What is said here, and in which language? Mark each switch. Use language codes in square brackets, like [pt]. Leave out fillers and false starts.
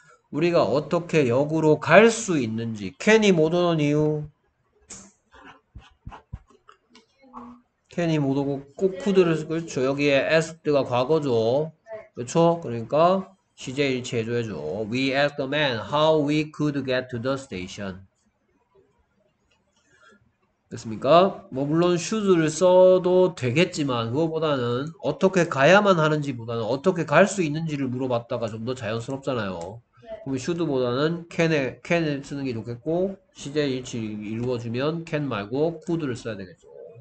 [ko] 우리가 어떻게 역으로 갈수 있는지 can이 못 오는 이유. can이 못 오고 꼭 could를 쓰고 그렇죠. 여기에 asked가 과거죠. 그렇죠? 그러니까 시제일치 해줘야죠. [en] We asked the man how we could get to the station. [ko] 됐습니까? 뭐 물론 should를 써도 되겠지만 그거보다는 어떻게 가야만 하는지보다는 어떻게 갈수 있는지를 물어봤다가 좀더 자연스럽잖아요. 그럼 should보다는 can을 쓰는 게 좋겠고 시제일치 이루어지면 can 말고 could를 써야 되겠죠.